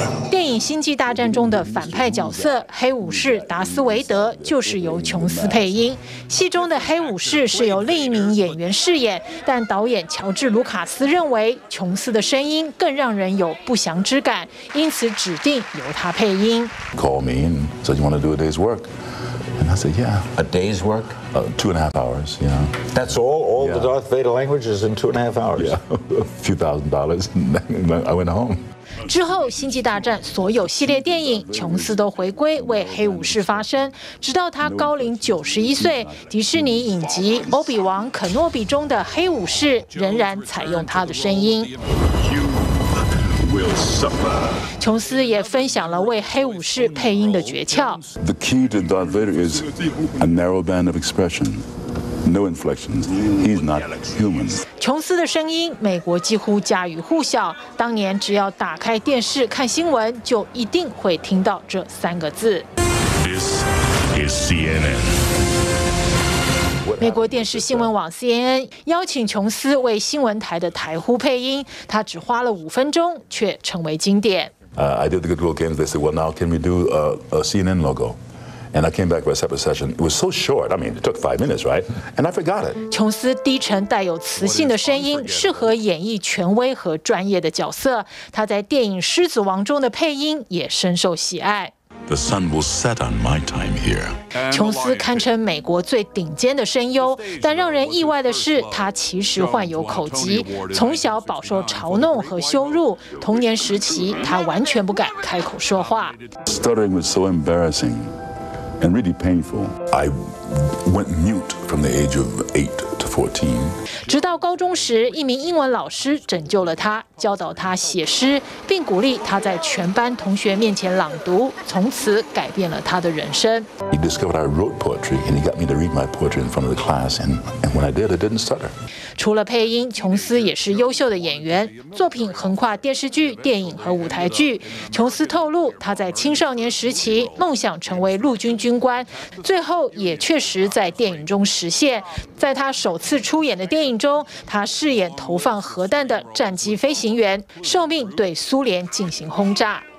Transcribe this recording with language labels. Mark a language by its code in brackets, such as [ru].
[zh] 电影《星际大战》中的反派角色黑武士达斯维德就是由琼斯配音，戏中的黑武士是由另一名演员饰演，但导演乔治·卢卡斯认为琼斯的声音更让人有不祥之感，因此指定由他配音。 [en] Call me and said you want to do a day's work and I said yeah a day's work two and a half hours yeah that's all the Darth Vader language is in two and a half hours yeah a few thousand dollars I went home。 [zh] 之后星际大战所有系列电影琼斯都回归为黑武士发声，直到他高龄91岁，迪士尼影集《欧比王·肯诺比》中的黑武士仍然采用他的声音。琼斯也分享了为黑武士配音的诀窍。 [en] The key to Darth Vader is a narrow band of expression. No inflections. He's not human. [zh] 琼斯的声音，美国几乎家喻户晓。当年只要打开电视看新闻，就一定会听到这三个字。 [en] This is CNN. [zh] 美国电视新闻网 CNN 邀请琼斯为新闻台的台呼配音，他只花了5分钟，却成为经典。 [en] I did the Good Will Games. They said, "Well, now can we do a CNN logo?" And I came back for a separate session. It was so short. I mean, it took 5 minutes, right? And I forgot it. [zh] 琼斯低沉带有磁性的声音适合演绎权威和专业的角色。他在电影《狮子王》中的配音也深受喜爱。 [en] The sun will set on my time here. [zh] 琼斯堪称美国最顶尖的声优，但让人意外的是，他其实患有口疾，从小饱受嘲弄和羞辱。童年时期，他完全不敢开口说话。 [en] Stuttering was so embarrassing and really painful. I went mute from the age of 8 to 14. [zh] 直到高中时，一名英文老师拯救了他，教导他写诗，并鼓励他在全班同学面前朗读，从此改变了他的人生。 [en] He discovered I wrote poetry, and he got me to read my poetry in front of the class. And when I did, I didn't stutter. [zh] 除了配音，琼斯也是优秀的演员，作品横跨电视剧、电影和舞台剧。琼斯透露，他在青少年时期梦想成为陆军军官，最后也确实在电影中实现。在他首次出演的电影中，他饰演投放核弹的战机飞行员，受命对苏联进行轰炸。